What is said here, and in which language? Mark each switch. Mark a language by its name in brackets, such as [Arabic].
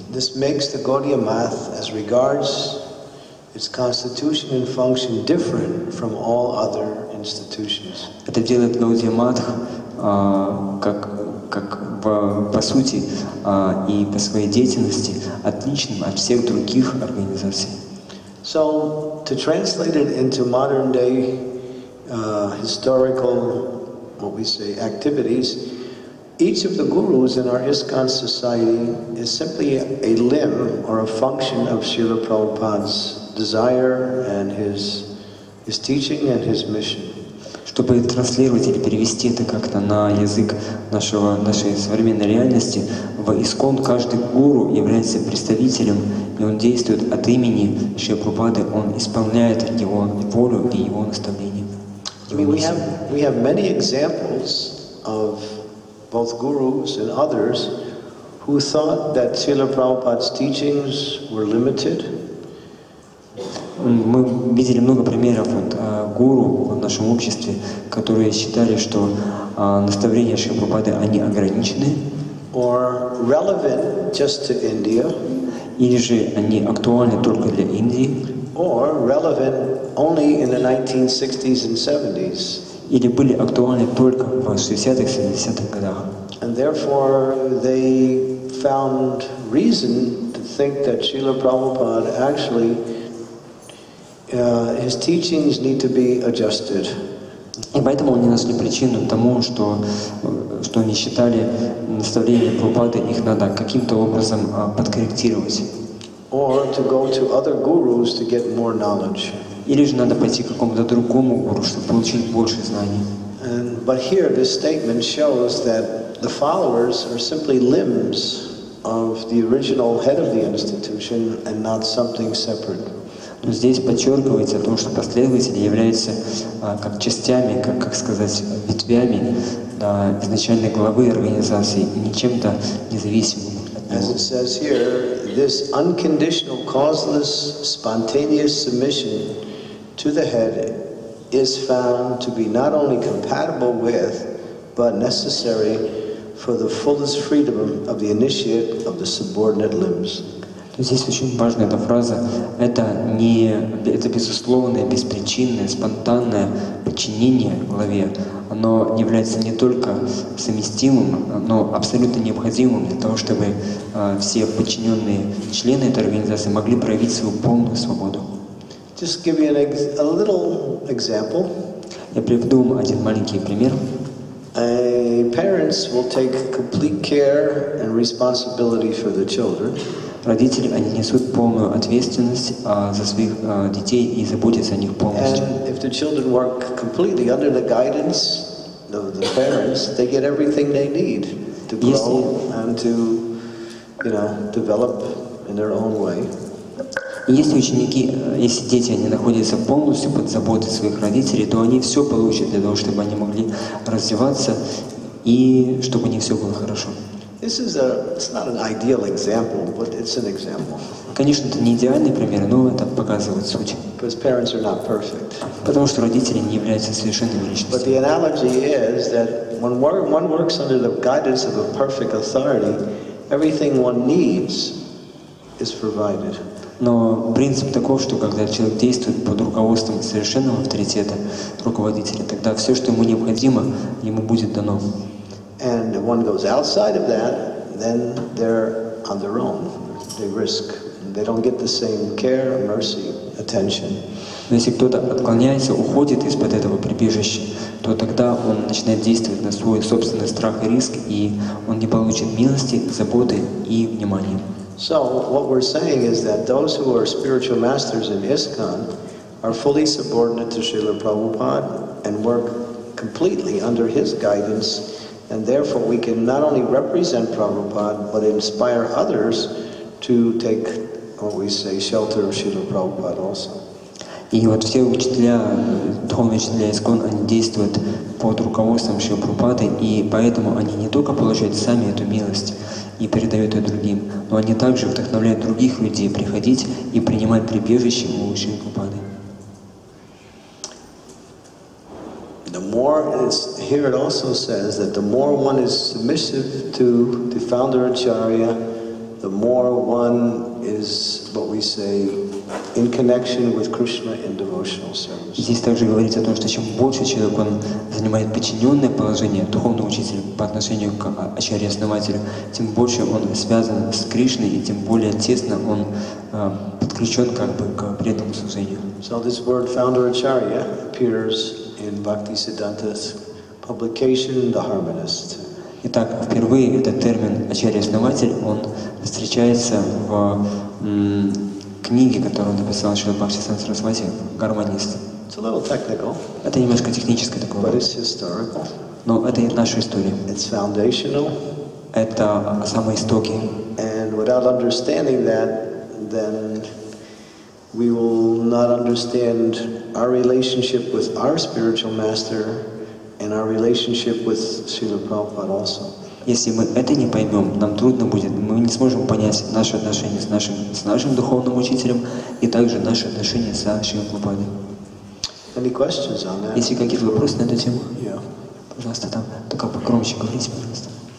[English] This makes the Gaudiya Math as regards its constitution and function different from all other institutions. [Russian] Это делает Gaudiya Math как по сути и по своей деятельности отличным от всех других организаций. [English] So to translate it into modern day historical, what we say, activities, each of the gurus in our ISKCON society is simply a limb or a function of Srila Prabhupada's desire and his teaching and his mission. [Russian] Чтобы транслировать или перевести это как-то на язык нашей современной реальности, в ИСККОН каждый гуру является представителем, и он действует от имени Шри Прабхупады, он исполняет его волю и его наставление. [English] I mean, we have many examples of both gurus and others who thought that Srila Prabhupada's teachings were limited. [Russian] Мы видели много примеров от гуру в нашем обществе, которые считали, что наставления Шри Прабхупады они ограничены. [English] Or relevant just to India. [Russian] Или же они актуальны только для Индии. [English] Or relevant only in the 1960s and 70s. [Russian] Или были актуальны только в 60-х, 70-х годах. [English] And therefore they found reason to think that Srila Prabhupada actually his teachings need to be adjusted. [Russian] И поэтому они нашли причину тому, что они считали наставления Прабхупады, их надо каким-то образом подкорректировать. [English] Or to go to other gurus to get more knowledge. [Russian] Или же надо пойти к какому-то другому гуру, чтобы получить больше знаний. [English] But here this statement shows that the followers are simply limbs of the original head of the institution and not something separate. [Russian] Но здесь подчеркивается о том, что последователи являются как частями, как сказать, ветвями изначальной главы организации, не чем-то независимым. [English] As it says here, this unconditional, causeless, spontaneous submission to the head is found to be not only compatible with, but necessary for the fullest freedom of the initiate of the subordinate limbs. [Russian] Здесь очень важная эта фраза. Это безусловное, беспричинное, спонтанное подчинение главе. Оно является не только совместимым, но абсолютно необходимым для того, чтобы все подчиненные члены этой организации могли проявить свою полную свободу. [English] Just give you a little example. [Russian] Я приведу вам один маленький пример. [English] Parents will take complete care and responsibility for the children. [Russian] родители, они несут полную ответственность за своих детей и заботятся о них полностью. [English] And if the children work completely under the guidance of the parents, they get everything they need to grow and to, you know, develop in their own way. [Russian] Если ученики, если дети, они находятся полностью под заботой своих родителей, то они все получат для того, чтобы они могли развиваться и чтобы у них все было хорошо. [English] This is a, it's not an ideal example, but it's an example. [Russian] Конечно, это не идеальный пример, но это показывает суть. [English] Because parents are not perfect. [Russian] Потому что родители не являются совершенными личностями. [English] But the analogy is that when one works under the guidance of a perfect authority, everything one needs is provided. [Russian] Но принцип таков, что когда человек действует под руководством совершенного авторитета, руководителя, тогда все, что ему необходимо, ему будет дано. [English] And if one goes outside of that, then they're on their own. They risk. They don't get the same care, mercy, attention. [Russian] Но если кто-то отклоняется, уходит из-под этого прибежища, то тогда он начинает действовать на свой собственный страх и риск, и он не получит милости, заботы и внимания. [English] So what we're saying is that those who are spiritual masters in ISKCON are fully subordinate to Srila Prabhupada and work completely under his guidance, and therefore we can not only represent Prabhupada but inspire others to take what we say shelter of Srila Prabhupada also. [Russian] И вот все учителя, духовные учителя ISKCON, они действуют под руководством Шрилы Прабхупады, и поэтому они не только получают сами эту милость и передают ее другим, но они также вдохновляют других людей приходить и принимать прибежище у Шрилы Прабхупады. [English] The more, here it also says that the more one is submissive to the founder Acharya, the more one is, what we say, in connection with Krishna in devotional service. [Russian] Здесь также говорится о том, что чем больше человек он занимает подчиненное положение духовного учителя по отношению к Ачарье-основателю, тем больше он связан с Кришной и тем более тесно он подключен как бы к преданному служению. [English] So this word founder Acharya appears in Bhakti Siddhanta's publication, The Harmonist. [Russian] Итак, впервые этот термин «Ачарья-основатель» он встречается в книге, которую написал Шрила Бхакти Сарасвати «Гармонист». Это немножко техническое такое. Но это и наша история. [English] It's foundational. [Russian] Это самые истоки. [English] And without understanding that, then we will not understand our relationship with our spiritual master and our relationship with Srila Prabhupada also. [Russian] Если мы это не поймем, нам трудно будет, мы не сможем понять наши отношения с нашим духовным учителем и также наши отношения с Шрилой Прабхупадой. [English] Any questions on that? [Russian] Если какие-то вопросы на эту тему? [English] Yeah. [Russian] Пожалуйста, там только погромче говорите, пожалуйста.